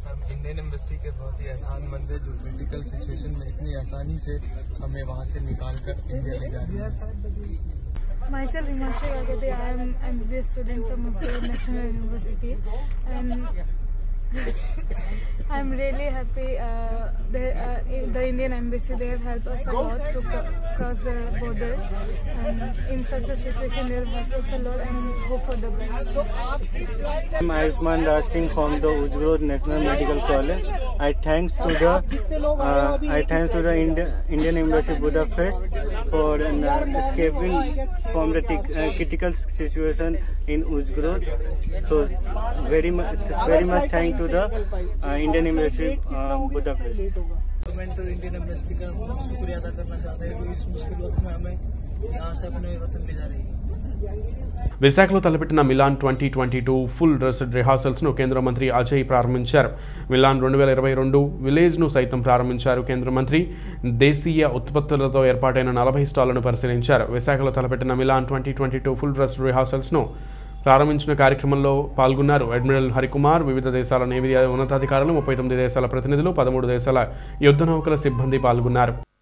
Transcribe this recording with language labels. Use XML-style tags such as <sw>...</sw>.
<hi>Indian embassy के बहुत ही एहसान मंद है जो मेडिकल सिचुएशन में इतनी आसानी से हमें वहाँ से निकाल कर इंडिया ले जा रहे हैं.</hi> <en>Myself Himanshu Agade, I am MBBS student from Muscle National University and I am really happy the Indian Embassy they have helped us a lot to cross the border and in such a situation they have helped us a lot and hope for the best. So I am Ayushman Raj Singh from the Ujgrod National Medical College. I thanks to the Indian Embassy Budapest for escaping from the critical situation in Ujgrod. So very much thank to the Indian Embassy Budapest.</en> <hi>Government और Indian embassy का बहुत शुक्रिया अदा करना चाहते हैं जो इस मुश्किल वक्त में हमें यहाँ से अपने वतन ले जा रही है.</hi> <te>విశాఖలో తలపెట్టిన మిలాన్ 2022 ఫుల్ డ్రెస్డ్ రిహార్సల్స్ ను కేంద్ర మంత్రి అజయ్ ప్రారంభించారు. మిలాన్ 2022 విలేజ్ ను సైతం ప్రారంభించారు కేంద్ర మంత్రి. దేశీయ ఉత్పత్తులతో ఏర్పాటైన 40 స్టాళ్లను పరిశీలించారు. విశాఖలో తలపెట్టిన మిలాన్ 2022 ఫుల్ డ్రెస్డ్ రిహార్సల్స్ ను ప్రారంభించిన కార్యక్రమంలో పాల్గొన్నారు అడ్మిరల్ హరికుమార్, వివిధ దేశాల నేవీ ఉన్నతాధికారులు, 39 దేశాల ప్రతినిధులు, 13 దేశాల యుద్ధనౌకల సిబ్బంది పాల్గొన్నారు.</te>